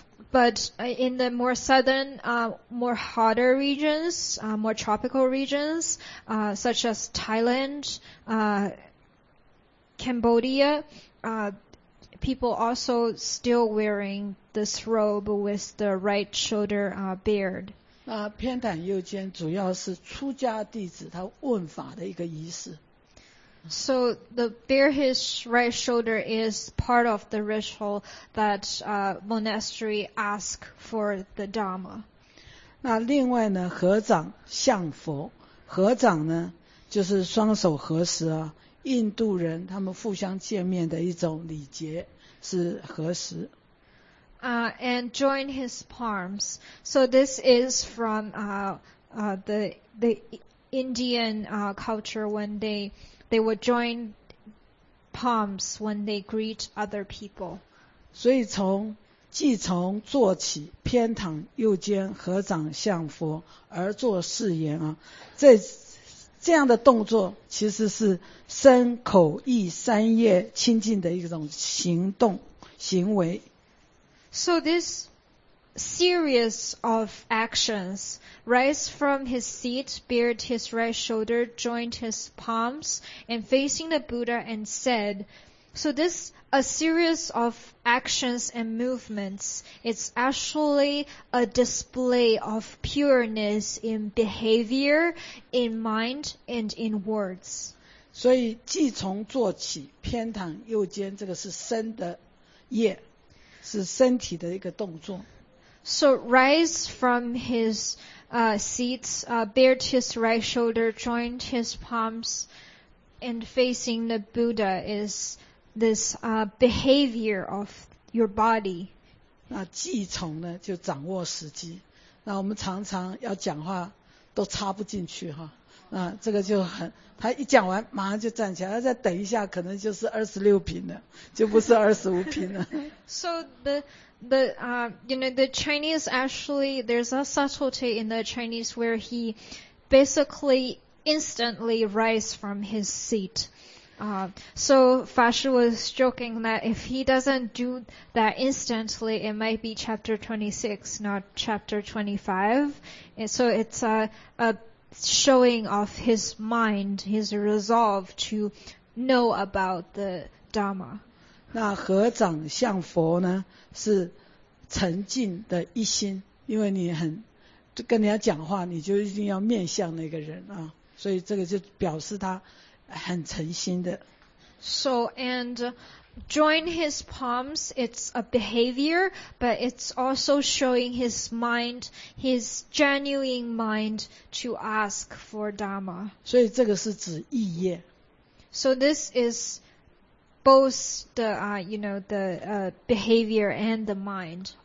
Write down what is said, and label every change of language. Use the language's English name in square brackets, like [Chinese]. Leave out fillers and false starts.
[English] But in the more southern, more hotter regions, more tropical regions, such as Thailand, Cambodia, people also still wearing this robe with the right shoulder bared. [Chinese] 那偏袒右肩主要是出家弟子他问法的一个仪式。 [English] So the bare his right shoulder is part of the ritual that monastery ask for the Dhamma. [Chinese] 那另外呢，合掌向佛，合掌呢就是双手合十啊。印度人他们互相见面的一种礼节是合十。 [English] And join his palms. So this is from the Indian culture when they would join palms when they greet other people. [Chinese] 所以从即从坐起偏躺右肩合掌向佛而作誓言啊，这样的动作其实是身口意三业清净的一种行动行为。 [English] So this series of actions, rise from his seat, bared his right shoulder, joined his palms, and facing the Buddha and said, so this a series of actions and movements, it's actually a display of pureness in behavior, in mind, and in words. [Chinese] 所以即从坐起偏躺右肩这个是身的业，是身体的一个动作。 [English] So rise from his seat, bared his right shoulder, joined his palms, and facing the Buddha is this behavior of your body. [Chinese] 那即从呢就掌握时机，那我们常常要讲话都插不进去哈，那这个就很，他一讲完马上就站起来，再等一下可能就是26品了，就不是25品了。 [English] So the Chinese actually, there's a subtlety in the Chinese where he basically instantly rise from his seat. So Fa Shi was joking that if he doesn't do that instantly, it might be chapter 26, not chapter 25. And so it's a showing of his mind, his resolve to know about the Dhamma. [Chinese] 那合掌向佛呢是沉静的一心，因为你很跟人家讲话你就一定要面向那个人啊，所以这个就表示他很诚心的。 [English] So and join his palms, it's a behavior, but it's also showing his mind, his genuine mind to ask for Dhamma. [Chinese] 所以这个是指意业。 [English] So this is both the, you know, the, behavior and the mind.